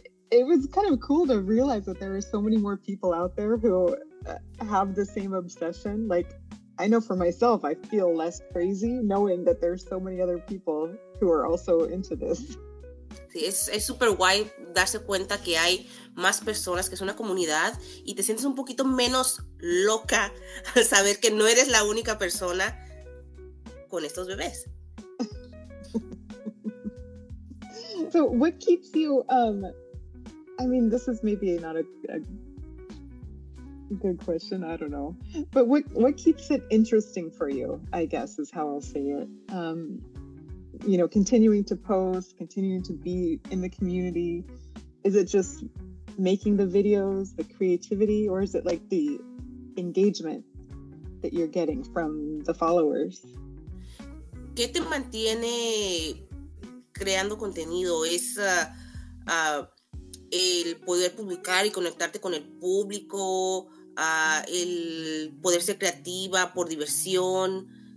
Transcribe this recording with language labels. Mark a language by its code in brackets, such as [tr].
[en] It was kind of cool to realize that there are so many more people out there who have the same obsession. Like, I know for myself, I feel less crazy knowing that there's so many other people who are also into this. [es] Sí, es súper guay darse cuenta que hay más personas, que es una comunidad, y te sientes un poquito menos loca al saber que no eres la única persona con estos bebés. [en] So what keeps you, I mean, this is maybe not a good question, I don't know, but what keeps it interesting for you, I guess is how I'll say it. You know, continuing to post, continuing to be in the community, is it just making the videos, the creativity, or is it like the engagement that you're getting from the followers? [es] ¿Qué te mantiene creando contenido? ¿Es el poder publicar y conectarte con el público, el poder ser creativa por diversión?